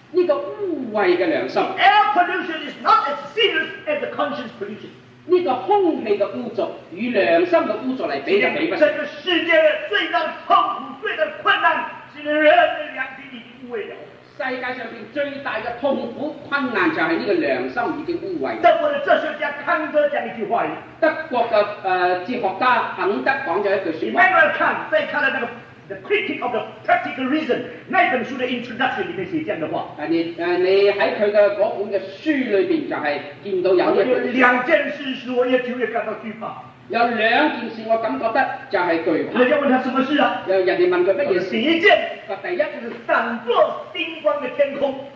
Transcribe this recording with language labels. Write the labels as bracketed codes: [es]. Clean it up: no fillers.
[en] The polluted conscience. The air pollution is not as serious as the conscience pollution. [zh] 那个烘焙的污浊与良善的污浊来比较，这个世界的最大的痛苦、最大的困难，是人类良心已经污秽了。世界上面最大的痛苦、困难，就是那个良心已经污秽。德国的哲学家康德讲一句话，德国的哲学家康德讲了一句话。 Immanuel Kant 在看了那个《The Critic of the Practical Reason》那本书的 introduction 里面写这样的话。你在他的那本的书里面就是见到有一个两件事使我越久越感到惧怕。有两件事我感觉得就是惧怕。人家问他什么事啊？人家问他什么事？第一件，第一就是闪烁星光的天空，